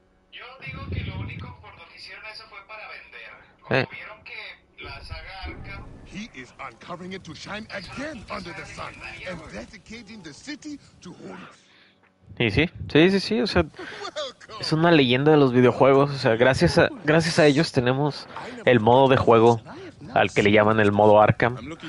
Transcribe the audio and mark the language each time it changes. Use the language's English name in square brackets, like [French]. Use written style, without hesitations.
[Spanish] yo digo que lo único por lo que hicieron eso fue para vender. Como vieron que la saga Arkham... [English] he is uncovering it to shine again under the sun and dedicating the city to Holy... [Spanish] y sí, o sea, es una leyenda de los videojuegos. O sea, gracias a ellos tenemos el modo de juego al que le llaman el modo Arkham.